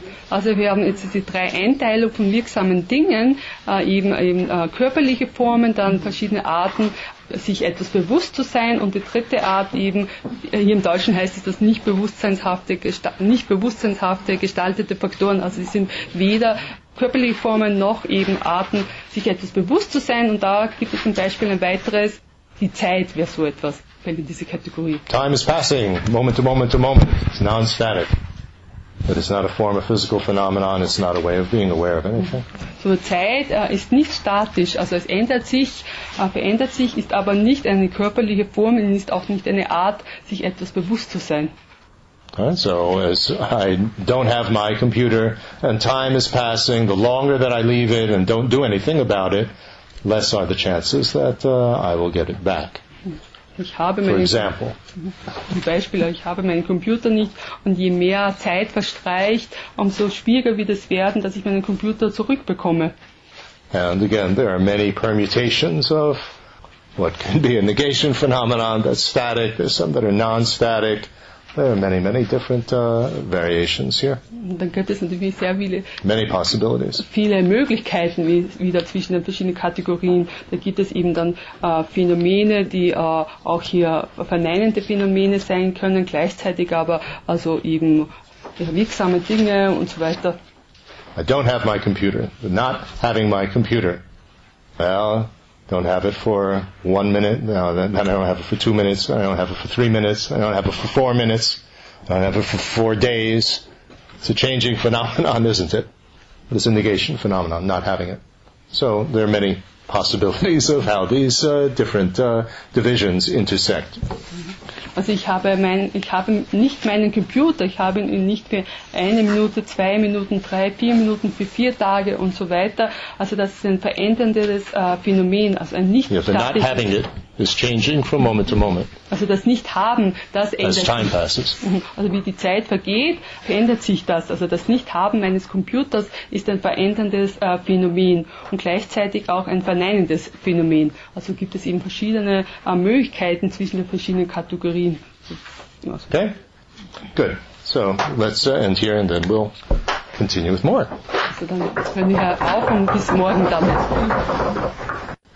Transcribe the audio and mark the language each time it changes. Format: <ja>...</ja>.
<de>Also wir haben, jetzt die drei Einteilungen von wirksamen Dingen, eben körperliche Formen, dann verschiedene Arten, sich etwas bewusst zu sein und die dritte Art eben, hier im Deutschen heißt es das nicht bewusstseinshafte gestaltete Faktoren, also es sind weder körperliche Formen noch eben Arten, sich etwas bewusst zu sein und da gibt es zum Beispiel ein weiteres, die Zeit wäre so etwas, fällt in diese Kategorie.</de> <en>Time is passing, moment to moment to moment, it's non-static. But it's not a form of physical phenomenon, it's not a way of being aware of anything.</en> <de>So Zeit ist nicht statisch, also es ändert sich, verändert sich, ist aber nicht eine körperliche Form, und ist auch nicht eine Art, sich etwas bewusst zu sein.</de> <en>Right, so as I don't have my computer, and time is passing, the longer that I leave it and don't do anything about it, less are the chances that I will get it back.</en> <de>Ich habe meinen Computer nicht und je mehr Zeit verstreicht, umso schwieriger wird es werden, dass ich meinen Computer zurückbekomme.</de> <en>And again, there are many permutations of what can be a negation phenomenon that's static, there's some that are non-static. There are many, many different variations here.</en> <de>Dann gibt es natürlich sehr viele,</de> <en>many possibilities.</en> <de>Viele Möglichkeiten wieder zwischen den verschiedenen Kategorien. Da gibt es eben dann Phänomene, die auch hier verneinende Phänomene sein können, gleichzeitig aber also eben wirksame Dinge und so weiter.</de> <en>I don't have my computer. Not having my computer. Well, don't have it for 1 minute, no, then I don't have it for 2 minutes, I don't have it for 3 minutes, I don't have it for 4 minutes, I don't have it for 4 days. It's a changing phenomenon, isn't it? But it's a negation phenomenon, not having it. So there are many possibilities of how these different divisions intersect.</en> <de>Also ich habe nicht meinen Computer, ich habe ihn nicht für 1 Minute, 2 Minuten, 3, 4 Minuten, für 4 Tage und so weiter. Also das ist ein veränderndes Phänomen, also ein nicht</de> <en>yeah, not having it is changing from moment to moment.</en> <de>Also das nicht haben, das ändert</de> <en>as time passes.</en> <de>Also wie die Zeit vergeht, verändert sich das. Also das nicht haben meines Computers ist ein veränderndes Phänomen und gleichzeitig auch ein verneinendes Phänomen. Also gibt es eben verschiedene Möglichkeiten zwischen den verschiedenen Kategorien.</de> <en>Okay, good. So let's end here and then we'll continue with more.</en> <de>Also dann hören wir auf und bis morgen damit.</de>